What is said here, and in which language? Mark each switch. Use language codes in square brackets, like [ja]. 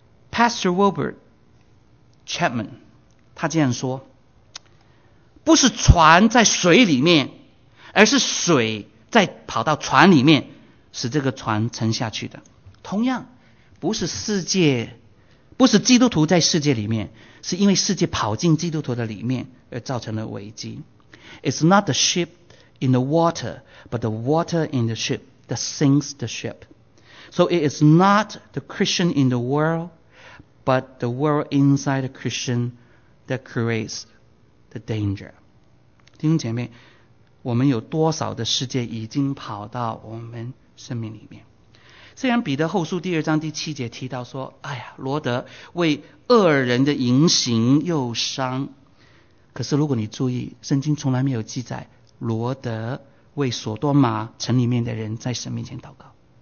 [zh] Pastor Wilbert Chapman 他这样说，不是船在水里面，而是水在跑到船里面，使这个船沉下去的。同样，不是世界，不是基督徒在世界里面，是因为世界跑进基督徒的里面而造成了危机。 [en] It's not the ship in the water, but the water in the ship that sinks the ship. So it is not the Christian in the world, but the world inside the Christian that creates the danger. [zh] 弟兄姐妹，我们有多少的世界已经跑到我们生命里面？虽然彼得后书第二章第七节提到说，哎呀，罗德为恶人的淫行又伤，可是如果你注意，圣经从来没有记载罗德为所多玛城里面的人在神面前祷告。